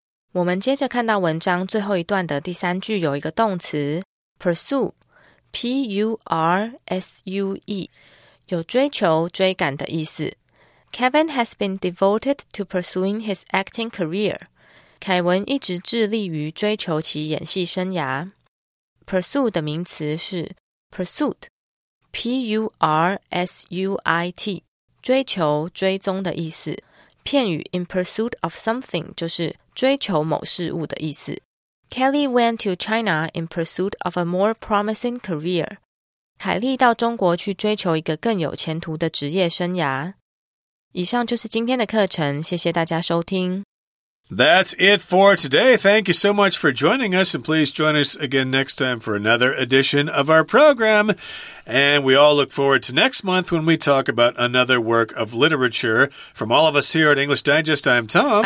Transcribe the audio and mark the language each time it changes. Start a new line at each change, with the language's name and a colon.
Chinese: 我们接着看到文章最后一段的第三句有一个动词 pursue, P-U-R-S-U-E, 有追求、追赶的意思。
English: Kevin has been devoted to pursuing his acting career.
Chinese: 凯文一直致力于追求其演戏生涯。 Pursue 的名词是 pursuit, P-U-R-S-U-I-T, 追求、追踪的意思。片语
English: in pursuit of something
Chinese: 就是追求某事物的意思。
English: Kelly went to China in pursuit of a more promising career.
Chinese: 凯莉到中国去追求一个更有前途的职业生涯。以上就是今天的课程，谢谢大家收听。
English: That's it for today. Thank you so much for joining us, and please join us again next time for another edition of our program. And we all look forward to next month when we talk about another work of literature. From all of us here at English Digest, I'm Tom.